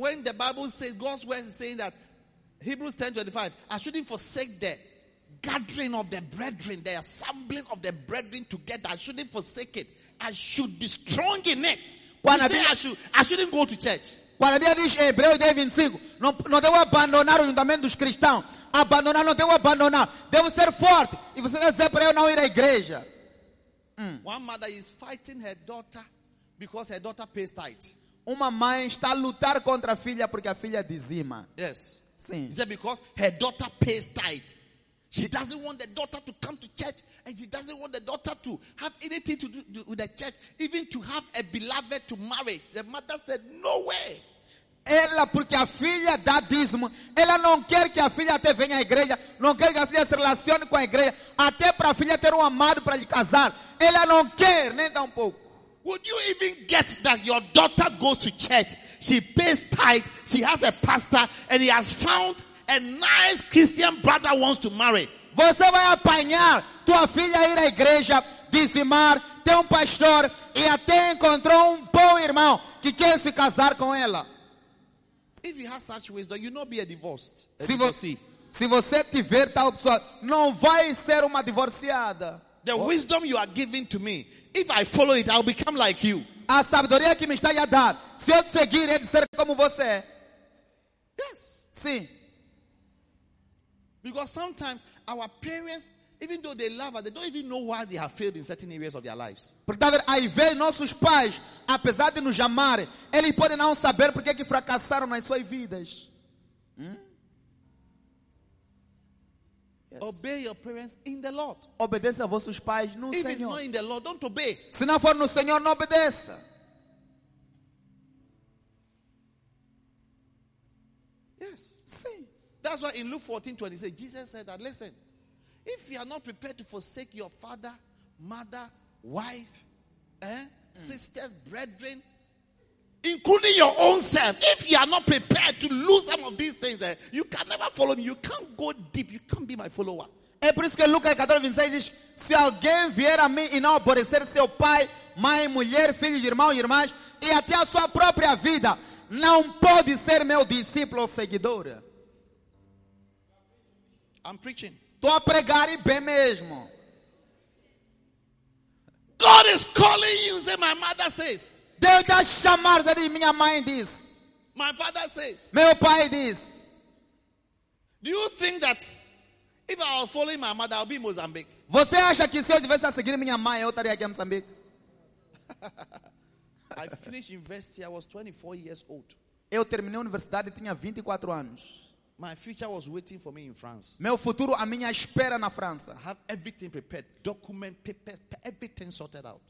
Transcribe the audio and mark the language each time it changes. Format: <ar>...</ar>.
<en>When the Bible says God's word is saying that Hebrews 10:25, I shouldn't forsake the gathering of the brethren, the assembling of the brethren together. I shouldn't forsake it. I should be strong in it.</en> <pt>Quando</pt> <en>you say I shouldn't go to church.</en> <pt>Quando a Bíblia diz em Hebreus 10:25, não devo abandonar o juntamento dos cristãos. Abandonar, não devo abandonar. Devo ser forte. E você quer dizer para eu não ir à igreja?</pt> <en>One mother is fighting her daughter because her daughter pays tithe.</en> <pt>Uma mãe está a lutar contra a filha porque a filha dizima.</pt> <en>Yes.</en> <pt>Sim.</pt> <en>Is it because her daughter pays tithe? She doesn't want the daughter to come to church and she doesn't want the daughter to have anything to do with the church, even to have a beloved to marry. The mother said, no way.</en> <pt>Ela, porque a filha dá dízimo, ela não quer que a filha até venha à igreja, não quer que a filha se relacione com a igreja, até para a filha ter amado para lhe casar. Ela não quer, nem dá pouco.</pt> <en>Would you even get that your daughter goes to church, she pays tithe, she has a pastor and he has found a nice Christian brother wants to marry.</en> <pt>Você vai apanhar tua filha ir à igreja, dizimar, ter pastor e até encontrou bom irmão que quer se casar com ela.</pt> <en>If you have such wisdom, you not be a divorced.</en> <pt>Se você, Se você tiver tal pessoa, não vai ser uma divorciada.</pt> <en>The wisdom you are giving to me, if I follow it, I'll become like you.</en> <pt>A sabedoria que me está a dar, se eu seguir, é de ser como você.</pt> <en>Yes.</en> <pt>Sim.</pt> <en>Because sometimes our parents, even though they love us, they don't even know why they have failed in certain areas of their lives.</en> <pt>Porque aí vem nossos pais, apesar de nos amarem, eles podem não saber porque que fracassaram nas suas vidas.</pt> <en>Yes. Obey your parents in the Lord.</en> <pt>Obedeça aos vossos pais no</pt> <en>If</en> <pt>Senhor.</pt> <en>It's not in the Lord, don't obey.</en> <pt>Se não for no Senhor, não obedeça.</pt> <en>Yes.</en> <pt>Sim.</pt> <en>That's why in Luke 14:26, Jesus said that, listen, if you are not prepared to forsake your father, mother, wife, sisters, brethren, including your own self, if you are not prepared to lose some of these things, you can never follow me. You can't go deep. You can't be my follower.</en> <pt>É por isso que Lucas 14:26 diz, se alguém vier a mim e não aborrecer seu pai, mãe, mulher, filhos, irmãos e irmãs, e até a sua própria vida, não pode ser meu discípulo ou seguidor.</pt> <en>I'm preaching.</en> <pt>Estou a pregar e bem mesmo.</pt> <en>God is calling you, say my mother says.</en> <pt>Deus está chamando, diz, minha mãe diz.</pt> <en>My father says.</en> <pt>Meu pai diz.</pt> <en>Do you think that if I was following my mother, I'll be in Mozambique?</en> <pt>Você acha que se eu tivesse a seguir minha mãe, eu estaria aqui em Moçambique?</pt> <en>I finished university, I was 24 years old.</en> <pt>Eu terminei a universidade, tinha 24 anos.</pt> <en>My future was waiting for me in France.</en> <pt>Meu futuro, a minha espera na França.</pt> <en>I have everything prepared, document, papers, everything sorted out.</en>